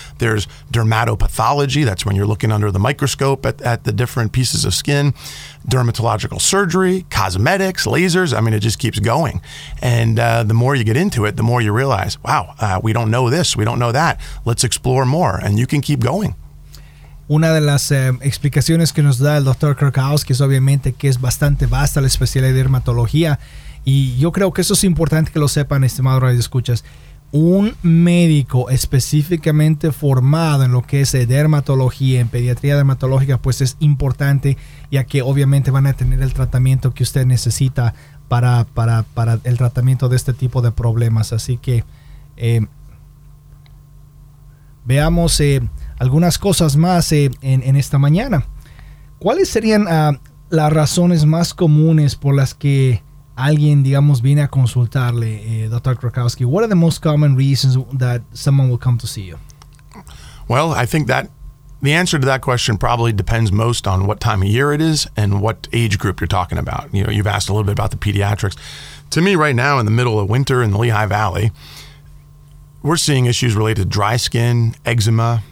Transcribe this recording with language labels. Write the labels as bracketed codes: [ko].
[en] There's dermatopathology. That's when you're looking under the microscope at the different pieces of skin. Dermatological surgery, cosmetics, lasers. I mean, it just keeps going. And the more you get into it, the more you realize, wow, we don't know this, we don't know that. Let's explore more, and you can keep going. [es] Una de las explicaciones que nos da el Dr. Krakowski es obviamente que es bastante vasta la especialidad de dermatología. Y yo creo que eso es importante que lo sepan, estimado radioescuchas. Un médico específicamente formado en lo que es dermatología, en pediatría dermatológica, pues es importante, ya que obviamente van a tener el tratamiento que usted necesita para el tratamiento de este tipo de problemas. Así que veamos algunas cosas más en esta mañana. ¿Cuáles serían las razones más comunes por las que alguien, digamos, viene a consultarle, Dr. Krakowski? [en] What are the most common reasons that someone will come to see you? Well, I think that the answer to that question probably depends most on what time of year it is and what age group you're talking about. You know, you've asked a little bit about the pediatrics. To me, right now, in the middle of winter in the Lehigh Valley, we're seeing issues related to dry skin, eczema.